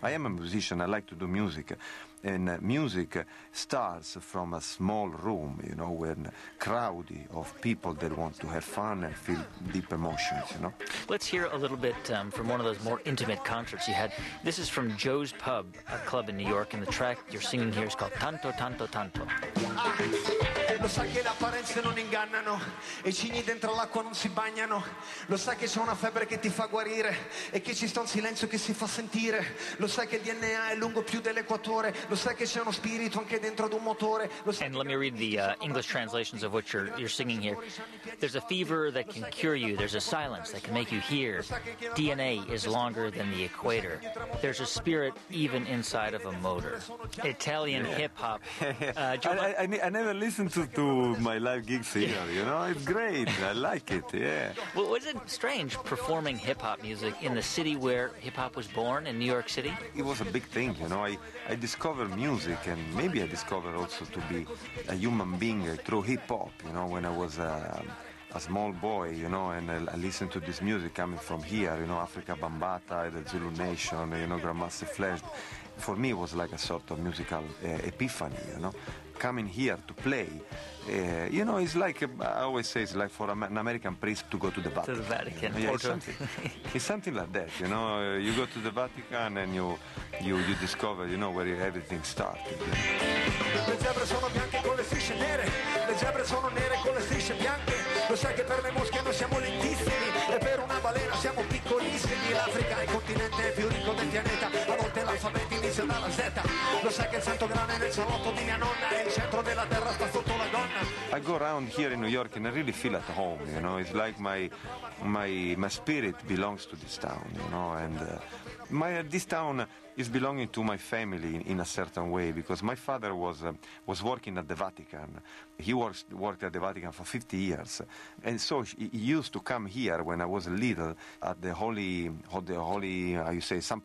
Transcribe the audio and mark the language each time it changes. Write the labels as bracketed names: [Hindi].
[English] I am a musician, I like to do music. And music starts from a small room, you know, when a crowd of people that want to have fun and feel deep emotions, you know. Let's hear a little bit from one of those more intimate concerts you had. This is from Joe's Pub, a club in New York, and the track you're singing here is called Tanto, Tanto, Tanto. [Italian] lo sa che le apparenze non ingannano, i cigni dentro l'acqua non si bagnano, lo sa che c'è una febbre che ti fa guarire e che ci sta un silenzio che si fa sentire, lo sa che il DNA è lungo più dell'equatore, lo sa che c'è uno spirito anche dentro ad un motore. [English] And let me read the English translations of what you're singing here. There's a fever that can cure you, there's a silence that can make you hear. DNA is longer than the equator. There's a spirit even inside of a motor. Italian hip-hop. I never listened to my live gigs here, you know? It's great. I like it, yeah. Well, was it strange performing hip-hop music in the city where hip-hop was born, in New York City? It was a big thing, you know? I discovered music, and maybe I discovered also to be a human being through hip-hop, you know, when I was a small boy, you know, and I listened to this music coming from here, you know, Africa Bambata, the Zulu Nation, you know, Grandmaster Flash. For me, it was like a sort of musical epiphany, you know, coming here to play. You know, it's like, I always say, it's like for an American priest to go to the Vatican. To the Vatican. You know? Yeah, it's something like that, you know. You go to the Vatican and you discover, you know, where everything started. [Italian] Le zebre sono bianche con le strisce nere. Le zebre sono nere con le strisce bianche. Lo sai che per le mosche noi siamo lentissimi e per una balena siamo piccolissimi. L'Africa è il continente più ricco del pianeta. A volte l'alfabeto inizia dalla Z. Lo sai che il santo grano è nel salotto di mia nonna. Il centro della terra sta sotto la donna. [English] I go around here in New York and I really feel at home, you know. It's like my spirit belongs to this town, you know. And this town is belonging to my family in a certain way, because my father was working at the Vatican. He worked at the Vatican for 50 years. And so he used to come here when I was little at the Holy, how you say, St.